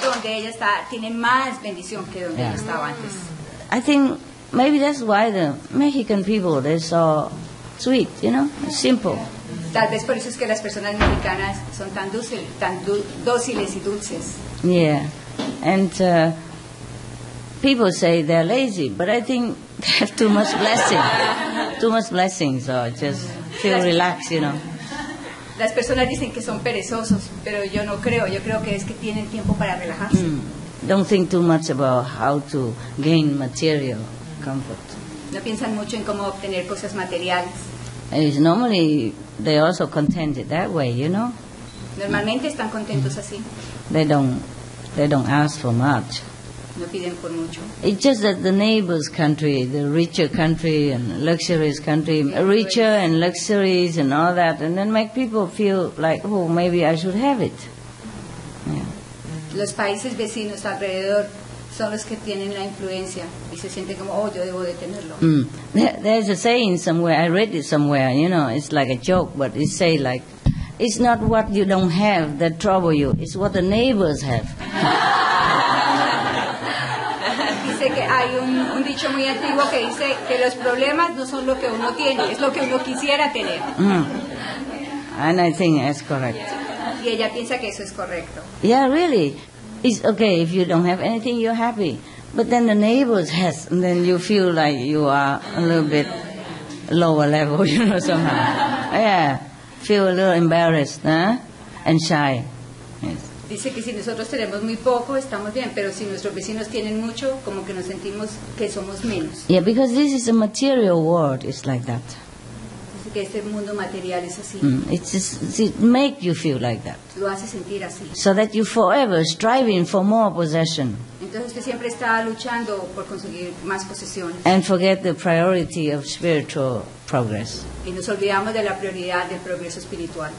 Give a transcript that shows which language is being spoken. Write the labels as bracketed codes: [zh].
[es] Ella está, tiene más bendición que donde ella estaba antes. [en] I think maybe that's why the Mexican people, they're so sweet, you know, simple. [es] Tal vez por eso es que las personas mexicanas son tan dulces, tan dóciles y dulces. [en] Yeah, and people say they're lazy, but I think they have too much blessing. Too much blessing, so just feel relaxed, you know. [es] Las personas dicen que son perezosos, pero yo no creo. Yo creo que es que tienen tiempo para relajarse. [en] Don't think too much about how to gain material comfort. [es] No piensan mucho en cómo obtener cosas materiales. [en] It's normally they're also contented that way, you know. [es] Normalmente están contentos así. [en] They don't ask for much. [es] No piden por mucho. [en] It's just that the neighbor's country, the richer country and luxurious country, richer and luxuries and all that, and then make people feel like, oh, maybe I should have it. Yeah. [es] Los países vecinos alrededor son los que tienen la influencia y se sienten como, oh, yo debo de tenerlo. [en] There's a saying somewhere, I read it somewhere, you know, it's like a joke, but it say like, it's not what you don't have that trouble you, it's what the neighbors have. [es] Hay un dicho muy antiguo que dice que los problemas no son lo que uno tiene, es lo que uno quisiera tener. [en] And I think that's correct. [es] Y ella piensa que eso es correcto. [en] Yeah, really. It's okay if you don't have anything, you're happy. But then the neighbors has, and then you feel like you are a little bit lower level, you know, somehow. Yeah, feel a little embarrassed, huh? And shy. Yes. [es] Dice que si nosotros tenemos muy poco, estamos bien, pero si nuestros vecinos tienen mucho, como que nos sentimos que somos menos. [en] Yeah, because this is a material world, it's like that. [es] Dice que este mundo material es así. [en] It makes you feel like that. [es] Lo hace sentir así. [en] So that you're forever striving for more possession. [es] Entonces que siempre está luchando por conseguir más posesiones. [en] And forget the priority of spiritual progress. [es] Y nos olvidamos de la prioridad del progreso espiritual.